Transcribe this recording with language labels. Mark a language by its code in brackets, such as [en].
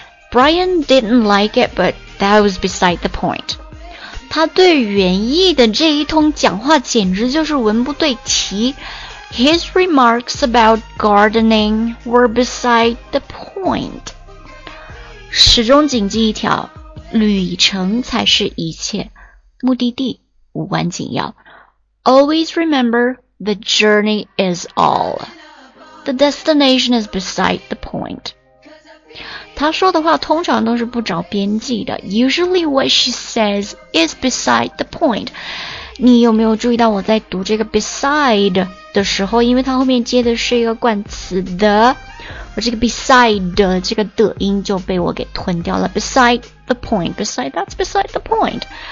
[en] Brian didn't like it but that was beside the point。 [zh] 他对袁毅的这一通讲话简直就是文不对题。 [en] His remarks about gardening were beside the point. [zh] 始终谨记一条，旅程才是一切，目的地无关紧要。 [en] Always remember the journey is all. The destination is beside the point. [zh] 他说的话通常都是不着边际的。 [en] Usually what she says is beside the point. [zh] 你有没有注意到我在读这个 beside 的时候，因为它后面接的是一个冠词 the， 而这个 beside 这个的音就被我给吞掉了。 [en] beside the point， beside that's beside the point.